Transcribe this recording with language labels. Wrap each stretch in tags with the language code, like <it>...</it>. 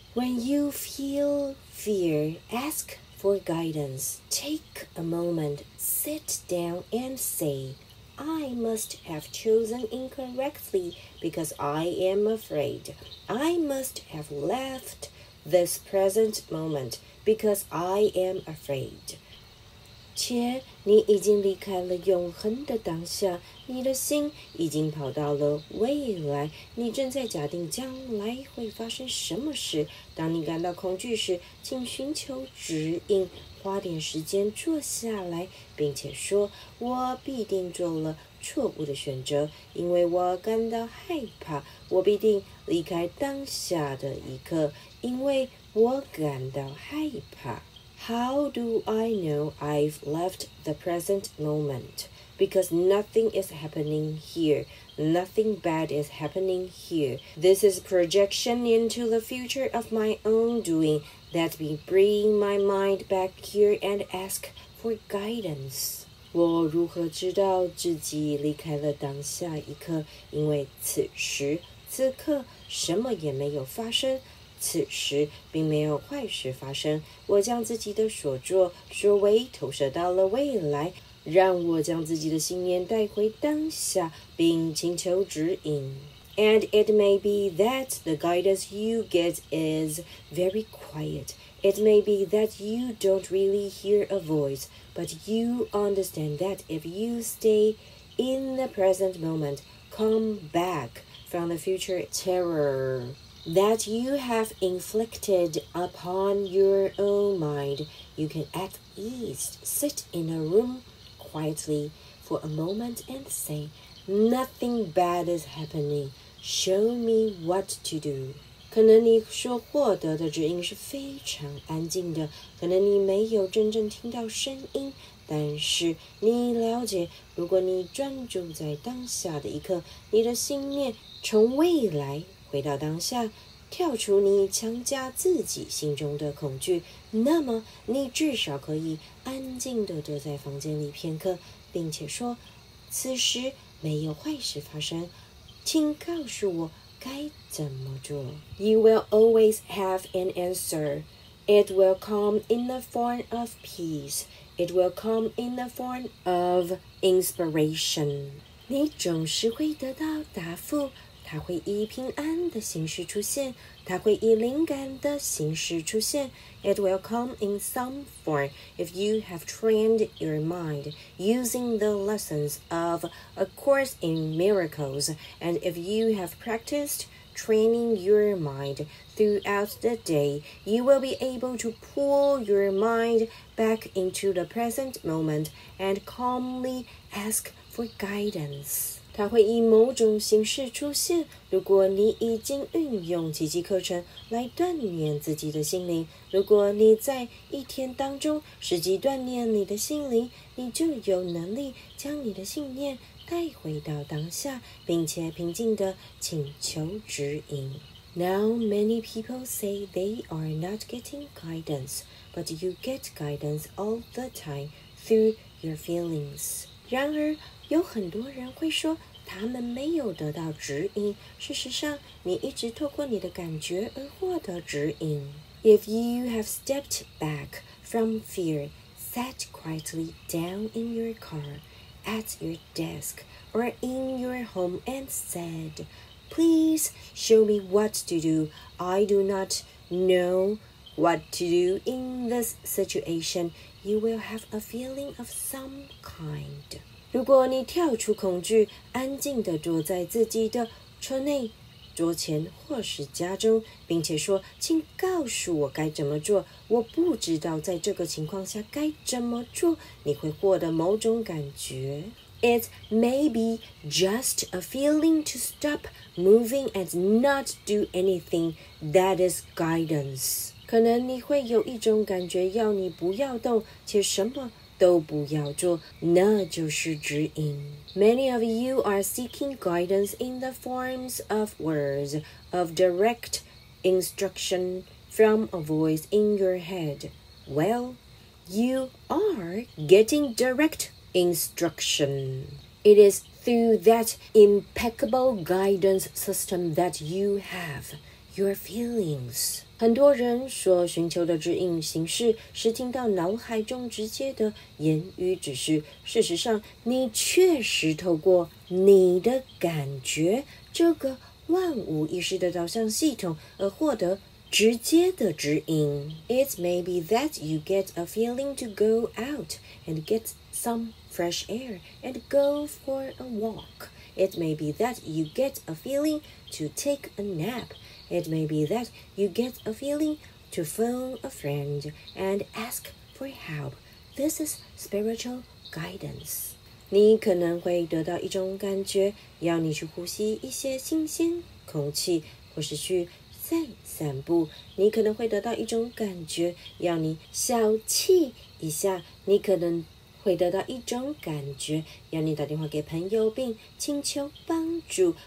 <en>When you feel fear, ask for guidance. Take a moment, sit down and say, I must have chosen incorrectly because I am afraid. I must have left this present moment because I am afraid.</en> <zh>且你已经离开了永恒的当下，你的心已经跑到了未来，你正在假定将来会发生什么事。当你感到恐惧时，请寻求指引，花点时间坐下来，并且说，我必定做了错误的选择，因为我感到害怕，我必定离开当下的一刻，因为我感到害怕。</zh> <en>How do I know I've left the present moment? Because nothing is happening here. Nothing bad is happening here. This is projection into the future of my own doing that be bringing my mind back here and ask for guidance.</en> <zh>我如何知道自己离开了当下一刻？因为此时此刻什么也没有发生。此时并没有坏事发生，我将自己的所作所为投射到了未来，让我将自己的信念带回当下，并请求指引。</zh> <en>And it may be that the guidance you get is very quiet. It may be that you don't really hear a voice, but you understand that if you stay in the present moment, come back from the future terror. That you have inflicted upon your own mind, you can at least sit in a room quietly for a moment and say, Nothing bad is happening. Show me what to do.</en> <zh>可能你所获得的指引是非常安静的，可能你没有真正听到声音，但是你了解，如果你专注在当下的一刻，你的心念从未来回到当下，跳出你强加自己心中的恐惧，那么你至少可以安静地坐在房间里片刻，并且说，此时没有坏事发生，请告诉我该怎么做。</zh> <en>You will always have an answer. It will come in the form of peace. It will come in the form of inspiration.</en> <zh>你总是会得到答复。它会以平安的形式出现，它会以灵感的形式出现。</zh> <en>It will come in some form. If you have trained your mind using the lessons of A Course in Miracles, and if you have practiced training your mind throughout the day, you will be able to pull your mind back into the present moment and calmly ask for guidance.</en> <zh>它会以某种形式出现。如果你已经运用奇迹课程来锻炼自己的心灵，如果你在一天当中实际锻炼你的心灵，你就有能力将你的信念带回到当下，并且平静地请求指引。</zh> <en>Now many people say they are not getting guidance, but you get guidance all the time through your feelings.</en> <zh>然而有很多人会说他们没有得到指引，事实上你一直透过你的感觉而获得指引。</zh> <en>If you have stepped back from fear, sat quietly down in your car, at your desk, or in your home and said, Please show me what to do. I do not know what to do in this situation. You will have a feeling of some kind.</en> <zh>如果你跳出恐惧，安静地坐在自己的车内、桌前或是家中，并且说，请告诉我该怎么做，我不知道在这个情况下该怎么做，你会获得某种感觉。</zh> <en>It may be just a feeling to stop moving and not do anything that is guidance.</en> <zh>可能你会有一种感觉要你不要动，且什么都不要做，那就是指引。</zh> <en>Many of you are seeking guidance in the forms of words, of direct instruction from a voice in your head. Well, you are getting direct instruction. It is through that impeccable guidance system that you have your feelings.</en> <zh>很多人所寻求的指引形式是听到脑海中直接的言语指示，事实上你确实透过你的感觉这个万无一失的导向系统而获得直接的指引。</zh> <en>It may be that you get a feeling to go out and get some fresh air and go for a walk. It may be that you get a feeling to take a napIt may be that you get a feeling to phone a friend and ask for help. This is spiritual guidance.</en> <zh>你可能会得到一种感觉，要你去呼吸一些新鲜空气，或是去散散步。你可能会得到一种感觉，要你小憩一下。你可能会得到一种感觉，要你打电话给朋友并请求帮助。</zh>